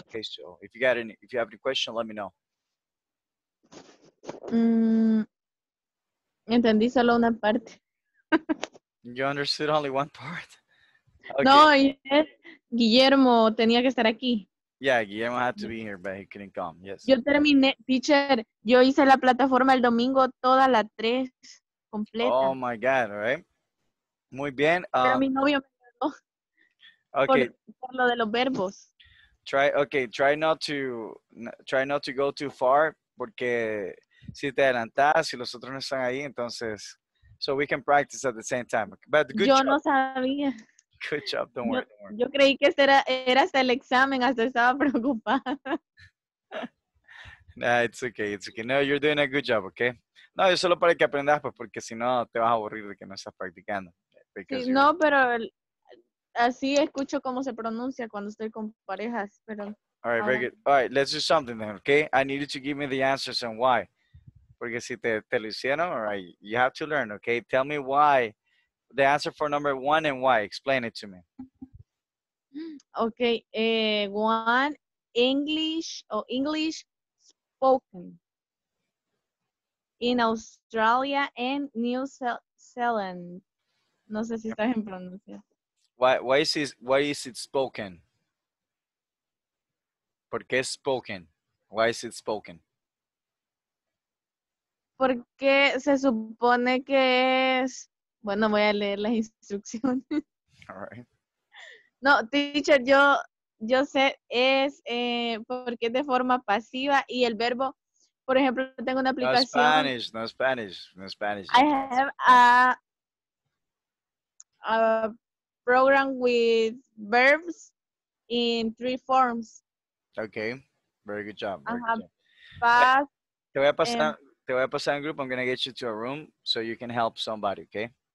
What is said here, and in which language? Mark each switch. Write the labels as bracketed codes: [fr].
[en] Okay, so if you have any question, let me know. [es] Entendí solo una parte. [en] You understood only one part? [es] Okay. No, Guillermo tenía que estar aquí. [en] Yeah, Guillermo had to be here, but he couldn't come. Yes. [es] Yo terminé, teacher, yo hice la plataforma el domingo toda la tres completa. [en] Oh my God, right? [es] Muy bien. Pero mi novio me quedó. [en] Okay. [es] Por lo de los verbos. [en] Try not to go too far, [es] porque si te adelantas y los otros no están ahí, entonces, [en] so we can practice at the same time. But good [es] yo [en] job. [es] No sabía. [en] Good job. Don't worry. [es] Yo creí que era hasta el examen, hasta estaba preocupada. [en] Nah, it's okay. No, you're doing a good job, okay? [es] No, es solo para que aprendas, pues, porque si no, te vas a aburrir de que no estás practicando. Sí, no, pero así escucho cómo se pronuncia cuando estoy con parejas, pero... [en] All right, very good. All right, let's do something then, okay? I need you to give me the answers and why. [es] Porque si te lo hicieron, [en] all right, you have to learn, okay? Tell me why. The answer for number one and why. Explain it to me. Okay. One, English spoken in Australia and New Zealand. [es] No sé si está bien pronunciado. [en] Why is it spoken? [es] ¿Por qué [en] spoken? Why is it spoken? [es] Porque se supone que es... Bueno, voy a leer las instrucciones. [en] All right. [es] No, teacher, yo sé, es porque es de forma pasiva y el verbo, por ejemplo, tengo una aplicación. [en] No Spanish. I have a program with verbs in three forms. Okay, very good job. Past, [es] te voy a pasar en grupo. [en] I'm going to get you to a room so you can help somebody, okay?